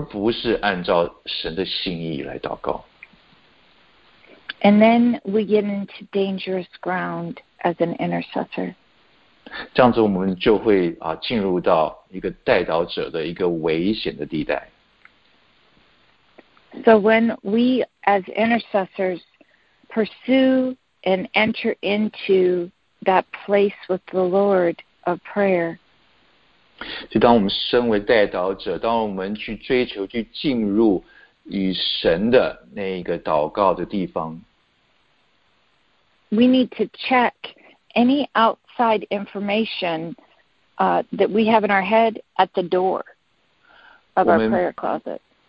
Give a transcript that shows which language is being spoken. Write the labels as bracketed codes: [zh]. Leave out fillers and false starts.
[zh] 如果我们不这样做的话，我们就变成祷告是按照我们个人的意见，而不是按照神的心意来祷告。 [en] And then we get into dangerous ground as an intercessor. [zh] 这样子我们就会进入到一个代祷者的一个危险的地带。 [en] So when we as intercessors pursue and enter into that place with the Lord of prayer, [zh] 就当我们身为代祷者，当我们去追求，去进入与神的那个祷告的地方。 [en] We need to check any outside information that we have in our head at the door of our prayer closet.